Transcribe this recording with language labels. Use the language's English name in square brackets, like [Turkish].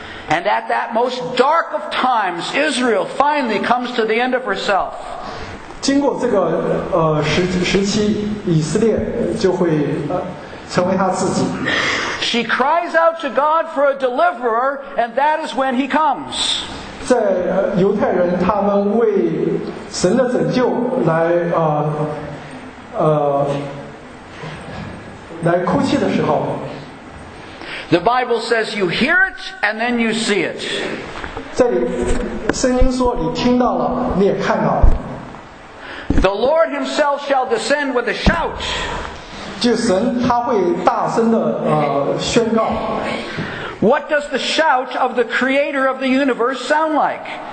[English] And at that most dark of times, Israel finally comes to the end of herself. [Chinese] 经过这个时期，以色列就会成为他自己。 [English] She cries out to God for a deliverer, and that is when he comes. [Chinese] 在犹太人他们为神的拯救来来哭泣的时候。 [English] The Bible says you hear it and then you see it. [Chinese] 这里圣经说你听到了，你也看到了。 [English] The Lord Himself shall descend with a shout. [Chinese] 就神他会大声的宣告。 [English] What does the shout of the Creator of the universe sound like?